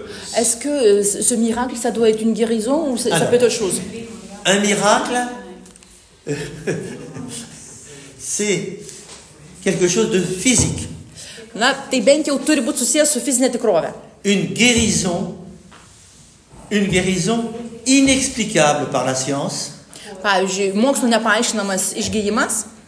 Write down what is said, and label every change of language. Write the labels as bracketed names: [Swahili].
[French] Est-ce que ce miracle, ça doit être une guérison ou ça peut être autre chose? Un miracle, c'est quelque chose de physique. [Lithuanian] Na, tai bent jau turi būti susijęs su fizine tikrove. [French] Une guérison inexplicable par la science. [Lithuanian] Pavyzdžiui, mokslo nepaaiškinamas išgyjimas.